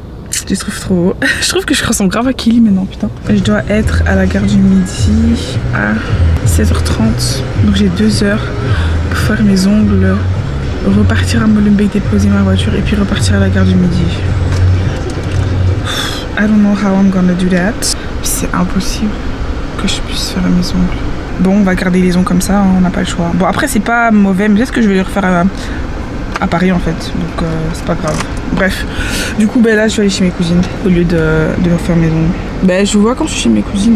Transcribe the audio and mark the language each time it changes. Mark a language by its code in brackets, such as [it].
[fr] Je les trouve trop beaux. Je trouve que je ressemble grave à Kelly maintenant, putain. Je dois être à la gare du midi à 16h30. Donc j'ai 2h pour faire mes ongles, repartir à Molenbeek, déposer ma voiture et puis repartir à la gare du midi. [en] I don't know how I'm gonna do that. [fr] C'est impossible que je puisse faire mes ongles. Bon, on va garder les ongles comme ça, on n'a pas le choix. Bon, après, c'est pas mauvais, mais peut-être que je vais les refaire à Paris en fait. Donc, c'est pas grave. Bref, du coup, ben là, je vais aller chez mes cousines au lieu de refaire mes ongles. Ben, je vous vois quand je suis chez mes cousines.